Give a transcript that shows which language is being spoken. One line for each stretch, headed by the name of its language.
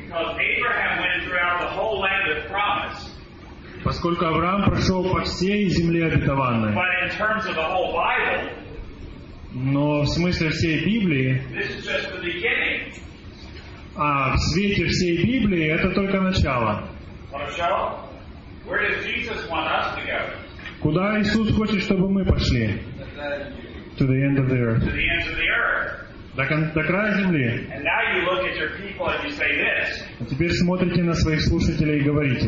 English: Because Abraham went throughout the whole land of promise.
Russian: Поскольку Авраам прошел по всей земле обетованной.
English: But in terms of the whole Bible,
Russian: но в смысле всей Библии,
English: this is just the beginning.
Russian: А в свете всей Библии это только начало.
English: Where does Jesus want us to go?
Russian: Куда Иисус хочет, чтобы мы пошли?
English: To the end of the earth.
Russian: До края земли.
English: And now you look at your people and you say this.
Russian: А теперь смотрите на своих слушателей и говорите.